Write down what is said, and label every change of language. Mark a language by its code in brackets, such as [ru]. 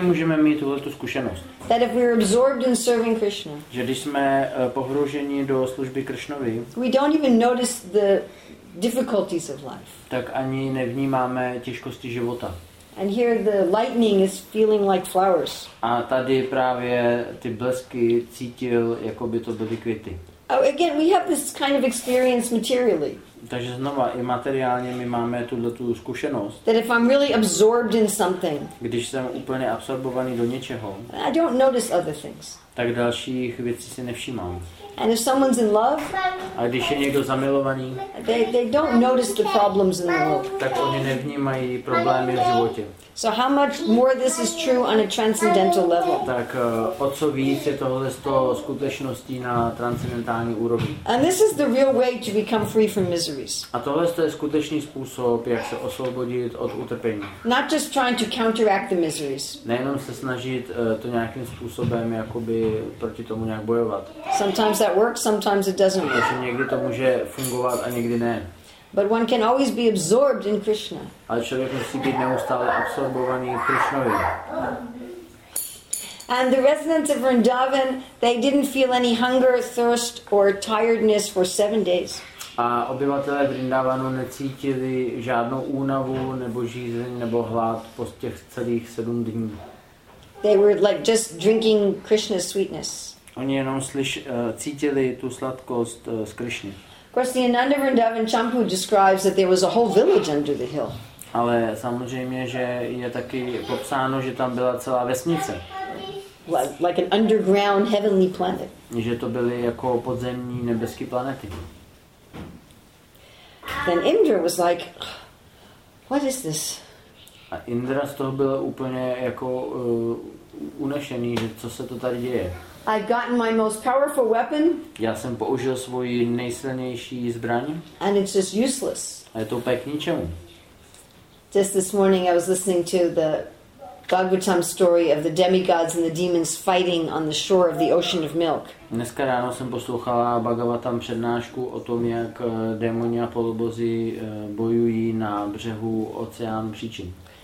[cs] můžeme mít tuto zkušenost. [en] That if we're absorbed in serving Krishna. [cs] Že když jsme pohrouženi do služby Krishnovi. [en] We don't even notice the difficulties of life. [cs] Tak ani nevnímáme těžkosti života. [en] And here the lightning is feeling like flowers. [cs] A tady právě ty blesky cítil, jako by to byly květy. [en] Oh, again, we have this kind of experience materially. [cs] Takže znova i materiálně my máme tuto zkušenost. [en] That if I'm really absorbed in something. [cs] Když jsem úplně absorbovaný do něčeho. [en] I don't notice other things. [cs] Tak dalších věcí si nevšímám. [en] And if someone's in love. [cs] A když je někdo zamilovaný. [en] They don't notice the problems in the world. [cs] Tak oni nevnímají problémy v životě. [en] So how much more this is true on a transcendental level? [cs] Tak o co víc je tohle skutečností na transcendentální úrovni? [en] And this is the real way to become free from miseries. [cs] A tohle je skutečný způsob, jak se osvobodit od utrpení. [en] Not just trying to counteract the miseries. [cs] Nejenom se snažit to nějakým způsobem jakoby proti tomu nějak bojovat. [en] Sometimes that works, sometimes it doesn't. [cs] Protože někdy to může fungovat a někdy ne. [en] But one can always be absorbed in Krishna. [cs] Ale člověk musí být neustále absorbovaný v Krishnovi. [en] And the residents of Vrindavan, they didn't feel any hunger, thirst or tiredness for 7 days. [cs] A obyvatelé Vrindavanu necítili žádnou únavu nebo žízeň nebo hlad po těch celých 7 dní. [en] They were like just drinking Krishna's sweetness. [cs] Oni jenom cítili tu sladkost z Krishny. [en] Of course, the Ananda Vrindavan Champu describes that there was a whole village under the hill. [cs] Ale samozřejmě, že je taky popsáno, že tam byla celá vesnice. [en] Like an underground heavenly planet. [cs] Že to byly jako podzemní nebeské planety. [en] Then Indra was like, what is this? [cs] A Indra z toho byl úplně jako unešený, že co se to tady děje. [en] I've gotten my most powerful weapon. [cs] Já jsem použil svoji nejsilnější zbraň. [en] And it's just useless. [cs] A je to úplně k ničemu. [en] Just this morning I was listening to the Bhagavatam story of the demigods and the demons fighting on the shore of the ocean of milk. [cs] Dneska ráno jsem poslouchala Bhagavatam přednášku o tom, jak démoni a polobozi bojují na břehu oceánu příčin.